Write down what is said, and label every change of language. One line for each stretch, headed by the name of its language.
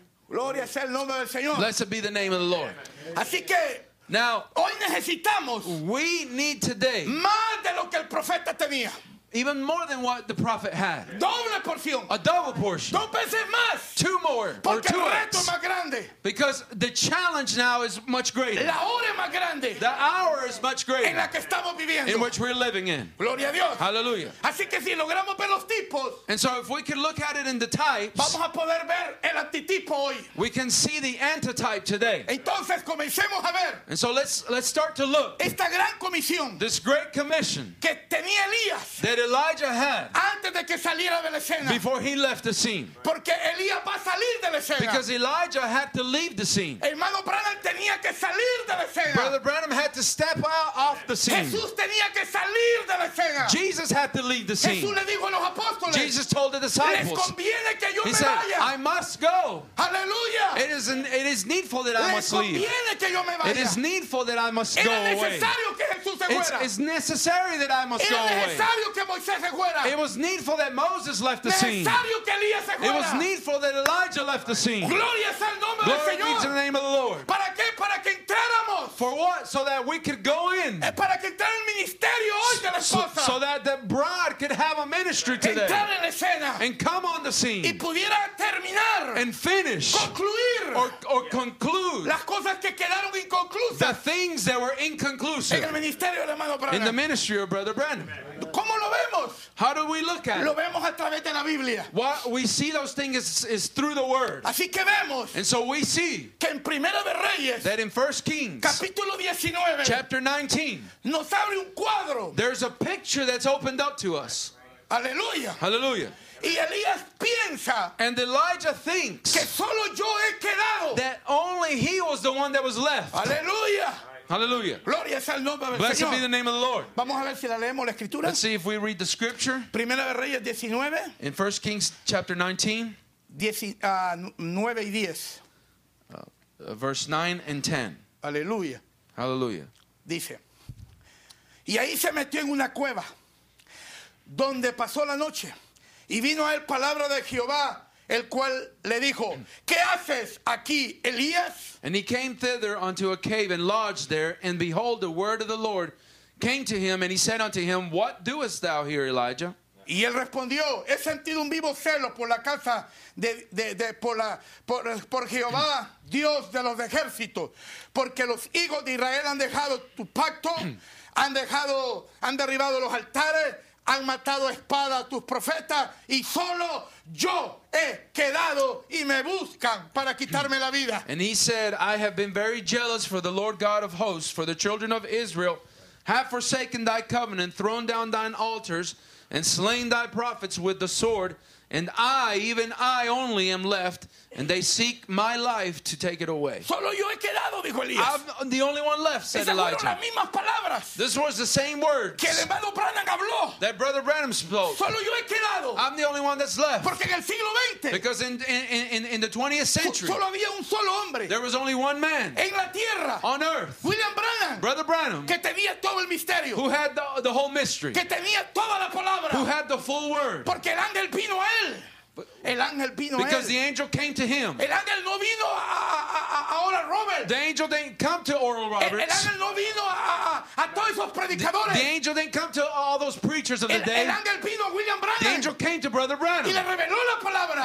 Spanish: Gloria sea el nombre del Señor.
English: Blessed be the name of the Lord.
Spanish: Así que
English: now,
Spanish: hoy necesitamos,
English: we need today
Spanish: más de lo que el profeta tenía.
English: Even more than what the prophet had.
Spanish: Doble porción.
English: A double portion.
Spanish: Dos veces más.
English: Two more.
Spanish: Porque
English: or 2x.
Spanish: El reto más grande.
English: Because the challenge now is much greater.
Spanish: La hora es más grande.
English: The hour is much greater.
Spanish: En la que estamos viviendo.
English: In which we're living in.
Spanish: Gloria a Dios.
English: Hallelujah.
Spanish: Así que si logramos ver los tipos,
English: and so if we can look at it in the types,
Spanish: vamos a poder ver el antitipo hoy.
English: We can see the antitype today.
Spanish: Entonces, comencemos a ver.
English: And so let's start to look.
Spanish: Esta gran comisión,
English: this great commission
Spanish: que tenía Elías,
English: that Elijah had
Spanish: antes de que saliera de la escena,
English: before he left the scene.
Spanish: Porque Elías va a salir de la escena.
English: Because Elijah had to leave the scene.
Spanish: Hermano Branham tenía que salir de la escena.
English: Brother Branham had to step out off the scene.
Spanish: Jesús tenía que salir de la escena.
English: Jesus had to leave the scene.
Spanish: Jesús le dijo a los apóstoles,
English: Jesus told the disciples,
Spanish: les conviene que yo
English: he
Spanish: me
English: said,
Spanish: vaya.
English: I must go. Hallelujah. It is needful that I
Spanish: les
English: must leave.
Spanish: Conviene que yo me vaya.
English: It is needful that I must
Spanish: era
English: go away.
Spanish: Que Jesús se fuera.
English: It's necessary that I must
Spanish: era
English: go away.
Spanish: Que Moisés se fuera.
English: It was needful that Moses left the scene.
Spanish: Que Elías se fuera.
English: It was needful that Elijah left the scene.
Spanish: Gloria sea el nombre.
English: Glory
Spanish: Señor.
English: Be to the name of the Lord.
Spanish: ¿Para qué? Para que entráramos.
English: For what? So that we could go in.
Spanish: Para que entrara el ministerio hoy de la esposa.
English: So that the bride could have a ministry today.
Spanish: Entrar en la escena.
English: And come on the scene.
Spanish: Y pudiera terminar.
English: And finish.
Spanish: Concluir.
English: Or conclude.
Spanish: Las cosas que quedaron inconclusas.
English: The things that were inconclusive.
Spanish: En el ministerio del hermano Branham.
English: In the ministry of Brother Branham.
Spanish: ¿Cómo lo vemos?
English: How do we look at it?
Spanish: Lo vemos a través de la Biblia.
English: What we see those things is through the word.
Spanish: Así que vemos.
English: And so we see
Spanish: que en Primera de Reyes,
English: that in 1 Kings
Spanish: capítulo 19,
English: chapter 19,
Spanish: nos abre un cuadro.
English: There's a picture that's opened up to us.
Spanish: Aleluya.
English: Hallelujah.
Spanish: Y Elías piensa,
English: and Elijah thinks,
Spanish: que solo yo he quedado,
English: that only he was the one that was left.
Spanish: Aleluya.
English: Hallelujah.
Spanish: Gloria sea el nombre del
English: Blessed
Spanish: Señor.
English: Be the name of the Lord.
Spanish: Vamos a ver si la leemos la escritura.
English: Let's see if we read the scripture.
Spanish: Primera de Reyes 19.
English: In 1 Kings chapter 19.
Spanish: 9 y 10.
English: Verse 9 and 10.
Spanish: Aleluya.
English: Hallelujah.
Spanish: Dice, y ahí se metió en una cueva donde pasó la noche, y vino a él palabra de Jehová, el cual le dijo, ¿qué haces aquí, Elías?
English: And he came thither unto a cave and lodged there, and behold, the word of the Lord came to him, and he said unto him, what doest thou here, Elijah?
Spanish: Y él respondió, he sentido un vivo celo por la casa de por la por Jehová, Dios de los ejércitos, porque los hijos de Israel han dejado tu pacto, han derribado los altares, han matado a espada a tus profetas, y solo yo he quedado, y me buscan para quitarme la vida.
English: And he said, I have been very jealous for the Lord God of hosts, for the children of Israel have forsaken thy covenant, thrown down thine altars, and slain thy prophets with the sword, and I, even I only, am left, and they seek my life to take it away.
Spanish: Solo yo he quedado, dijo Elías.
English: I'm the only one left, said Elijah.
Spanish: Esas fueron las mismas palabras.
English: This was the same words
Spanish: que el hermano Branham habló.
English: That Brother Branham spoke.
Spanish: Solo yo he quedado.
English: I'm the only one that's left.
Spanish: Porque en el siglo 20,
English: because in the 20th century,
Spanish: solo había un solo hombre.
English: There was only one man
Spanish: en la tierra.
English: On earth.
Spanish: William Branham.
English: Brother Branham.
Spanish: Que tenía todo el misterio.
English: Who had the whole mystery.
Spanish: Que tenía toda la palabra.
English: Who had the full word.
Spanish: Porque el ángel vino a él.
English: Because the angel came to him.
Spanish: El ángel no vino a Oral Roberts.
English: The angel didn't come to Oral Roberts.
Spanish: El ángel no vino a todos esos predicadores.
English: The angel didn't come to all those preachers of the day.
Spanish: El ángel vino a William Branham.
English: The angel came to Brother Branham.
Spanish: Y le reveló la palabra.